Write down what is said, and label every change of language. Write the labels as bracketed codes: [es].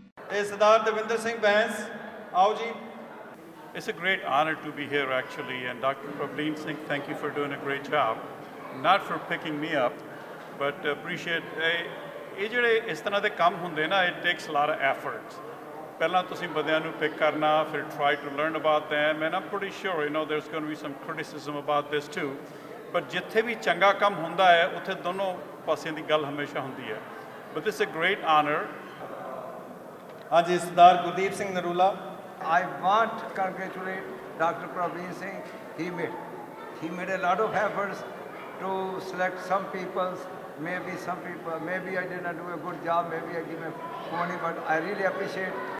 [en] Hey, Sardar Devinder Singh Bains, Aoji. It's a great honor to be here, actually. And Dr. Prabhleen Singh, thank you for doing a great job. Not for picking me up, but appreciate a. [pa] ਇਹ ਜਿਹੜੇ ਇਸ ਤਰ੍ਹਾਂ ਦੇ ਕੰਮ ਹੁੰਦੇ ਨਾ, [en] It takes lot of efforts. [pa] ਪਹਿਲਾਂ ਤੁਸੀਂ ਬੰਦਿਆਂ ਨੂੰ ਪਿੱਕ ਕਰਨਾ, ਫਿਰ [en] Try to learn about them, and I'm pretty sure you know there's going to be some criticism about this too. [pa] But ਜਿੱਥੇ ਵੀ ਚੰਗਾ ਕੰਮ ਹੁੰਦਾ ਹੈ, ਉੱਥੇ ਦੋਨੋਂ ਪਾਸਿਆਂ ਦੀ ਗੱਲ ਹਮੇਸ਼ਾ ਹੁੰਦੀ ਹੈ। [en] But it's a great honour. [pa] ਹਾਂਜੀ, ਸਰਦਾਰ Gurdeep Singh Narula. [en] I want to congratulate doctor Praveen Singh. He made a lot of efforts to select some peoples. Maybe some people, maybe I did not do a good job, maybe I give a phony, but I really appreciate.